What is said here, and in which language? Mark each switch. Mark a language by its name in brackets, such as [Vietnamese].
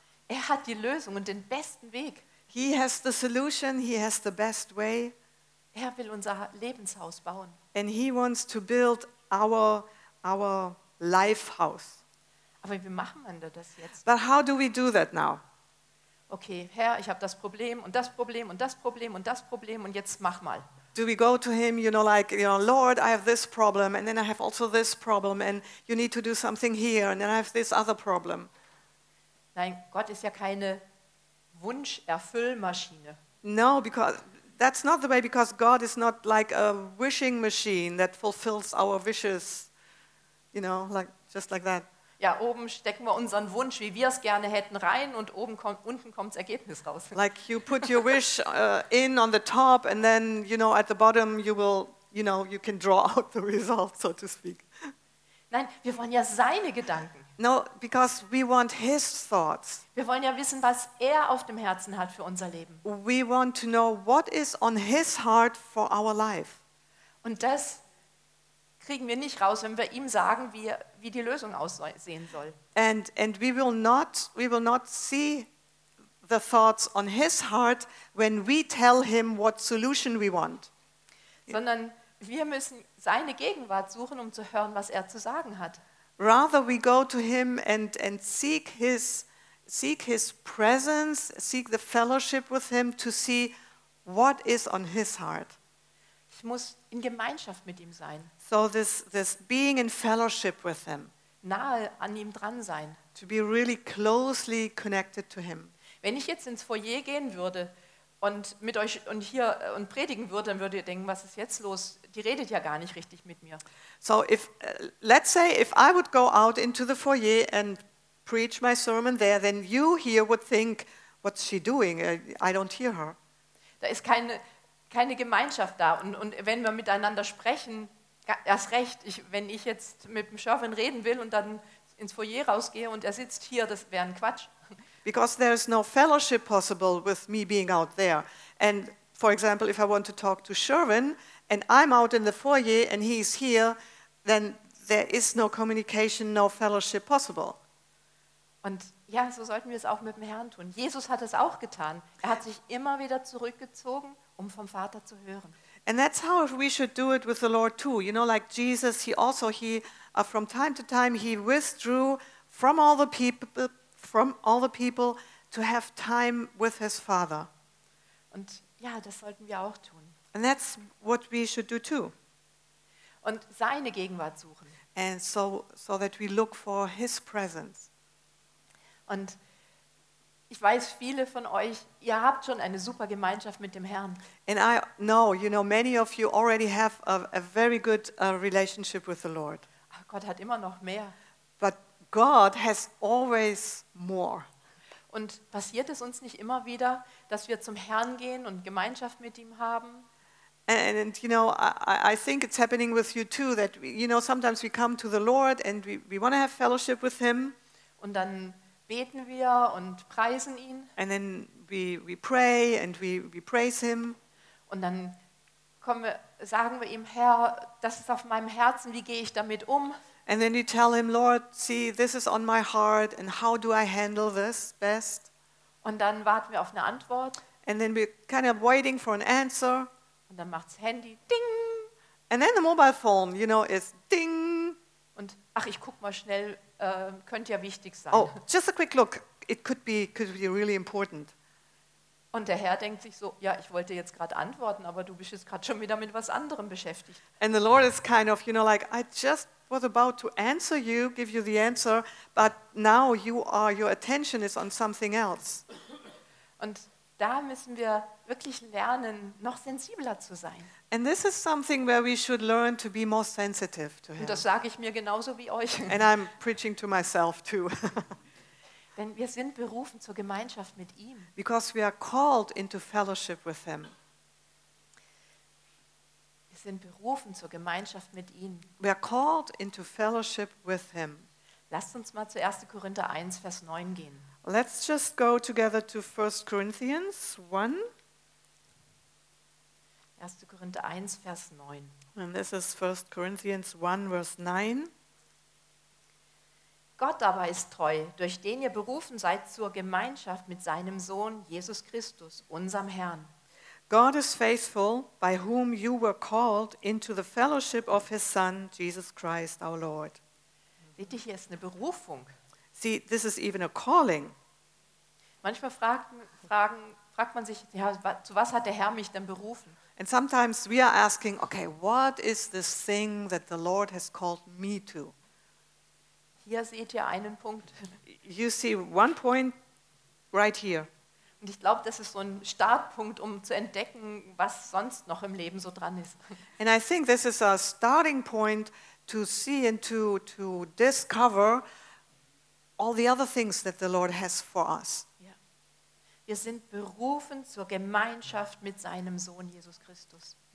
[German] Er hat die Lösung und den besten Weg. [English] He has the solution, he has the best way. [German] Er will unser Lebenshaus bauen. [English] And he wants to build our life house. [German] Aber wie machen wir das jetzt? [English] But how do we do that now? [German] Okay, Herr, ich habe das Problem und das Problem und das Problem und das Problem und jetzt mach mal. [English] Do we go to him, you know, like, you know, Lord, I have this problem and then I have also this problem and you need to do something here and then I have this other problem. [German] Nein, Gott ist ja keine Wunscherfüllmaschine. [English] No, because that's not the way, because God is not like a wishing machine that fulfills our wishes, you know, like just like that. [German] ja, oben stecken wir unseren Wunsch, wie wir es gerne hätten, rein und oben kommt, unten kommt das Ergebnis raus. [English] Like you put your wish in on the top and then, you know, at the bottom you will, you know, you can draw out the result, so to speak. [German] Nein, wir wollen ja seine Gedanken. [English] No, because we want his thoughts. [German] Wir wollen ja wissen, was er auf dem Herzen hat für unser Leben. [English] We want to know what is on his heart for our life. [German] Und das kriegen wir nicht raus, wenn wir ihm sagen, wie die Lösung aussehen soll. [English] And we will not see the thoughts on his heart when we tell him what solution we want. [German] Sondern wir müssen seine Gegenwart suchen, um zu hören, was er zu sagen hat. [English] Rather we go to him and seek his presence, seek the fellowship with him to see what is on his heart. [German] Ich muss in Gemeinschaft mit ihm sein. [English] So this being in fellowship with him. [German] Nahe an ihm dran sein. [English] To be really closely connected to him. [German] Wenn ich jetzt ins Foyer gehen würde und mit euch und hier und predigen würde, dann würdet ihr denken, was ist jetzt los? Die redet ja gar nicht richtig mit mir. [English] So if let's say if I would go out into the foyer and preach my sermon there, then you here would think, what's she doing? I don't hear her. [German] Da ist keine Gemeinschaft da und wenn wir miteinander sprechen, erst recht, wenn ich jetzt mit dem Sherwin reden will und dann ins Foyer rausgehe und er sitzt hier, das wäre ein Quatsch. [English] Because there is no fellowship possible with me being out there. And for example, if I want to talk to Sherwin and I'm out in the foyer and he's here, then there is no communication, no fellowship possible. [German] Und ja, so sollten wir es auch mit dem Herrn tun. Jesus hat es auch getan. Er hat sich immer wieder zurückgezogen, um vom Vater zu hören. [English] And that's how we should do it with the Lord too. You know, like Jesus, he also from time to time he withdrew from all the people to have time with his Father. [German] Und ja, das sollten wir auch tun. [English] And that's what we should do too. [German] Und seine Gegenwart suchen. [English] And so that we look for his presence. [German] Und ich weiß, viele von euch, ihr habt schon eine super Gemeinschaft mit dem Herrn. [English] And I know, you know, many of you already have a very good relationship with the Lord. [German] Aber Gott hat immer noch mehr. [English] But God has always more. [German] Und passiert es uns nicht immer wieder, dass wir zum Herrn gehen und Gemeinschaft mit ihm haben? [English] And you know, I think it's happening with you too, that we, you know, sometimes we come to the Lord and we want to have fellowship with him. [German] Und dann beten wir und preisen ihn. [English] And then we pray and we praise him. [German] Und dann sagen wir ihm, Herr, das ist auf meinem Herzen, wie gehe ich damit um? [English] And then we tell him, Lord, see, this is on my heart and how do I handle this best? [German] Und dann warten wir auf eine Antwort. [English] And then we're kind of waiting for an answer. [German] Und dann macht's Handy, ding! [English] And then the mobile phone, you know, is ding! [German] Und ach, ich guck mal schnell, könnte ja wichtig sein. [English] Oh, just a quick look. It could be really important. [German] Und der Herr denkt sich so, ja, ich wollte jetzt gerade antworten, aber du bist jetzt gerade schon wieder mit was anderem beschäftigt. [English] And the Lord is kind of, you know, like, I just was about to answer you, give you the answer, but now your attention is on something else. [German] Und da müssen wir wirklich lernen, noch sensibler zu sein. [English] And this is something where we should learn to be more sensitive to him. [German] Und das sage ich mir genauso wie euch. [English] And I'm preaching to myself too. [German] Denn wir sind berufen zur Gemeinschaft mit ihm. [English] Because we are called into fellowship with him. [German] Wir sind berufen zur Gemeinschaft mit ihm. [English] We are called into fellowship with him. [German] Lasst uns mal zu 1. Korinther 1, Vers 9 gehen. [English] Let's just go together to 1 Corinthians 1. [German] 1. Korinther 1, Vers 9. [English] And this is 1 Corinthians 1, Verse 9. [German] Gott aber ist treu, durch den ihr berufen seid zur Gemeinschaft mit seinem Sohn, Jesus Christus, unserem Herrn. [English] God is faithful, by whom you were called into the fellowship of his Son, Jesus Christ, our Lord. [German] Seht ihr, hier ist eine Berufung. [English] See, this is even a calling. [German] Manchmal fragt man sich, ja, zu was hat der Herr mich denn berufen? [English] And sometimes we are asking, okay, what is this thing that the Lord has called me to? [German] Hier seht ihr einen Punkt. [English] You see one point right here. [German] Und ich glaube, das ist so ein Startpunkt, um zu entdecken, was sonst noch im Leben so dran ist. [English] And I think this is a starting point to see and to discover all the other things that the Lord has for us. [German] Ja. Wir sind berufen zur Gemeinschaft mit seinem Sohn Jesus Christus.